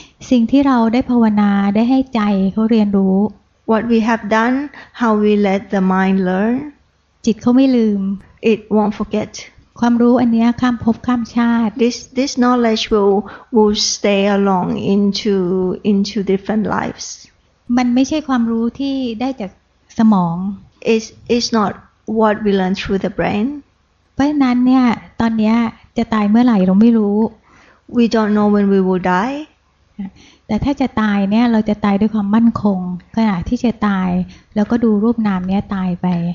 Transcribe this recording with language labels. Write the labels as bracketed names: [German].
[Thai] สิ่งที่เราได้ภาวนาได้ให้ใจเขาเรียนรู้ [English] What we have done, how we let the mind learn, [Thai] จิตเขาไม่ลืม [English] it won't forget. [Thai] ความรู้อันนี้ข้ามภพข้ามชาติ [English] This knowledge will stay along into different lives. [Thai] มันไม่ใช่ความรู้ที่ได้จากสมอง [English] It's not what we learn through the brain. [Thai] เพราะนั้นเนี่ยตอนนี้จะตายเมื่อไหร่เราไม่รู้ [English] We don't know when we will die. [Thai] แต่ถ้าจะตายเนี่ยเราจะตายด้วยความมั่นคงขณะที่จะตายแล้วก็ดูรูปนามเนี้ยตายไป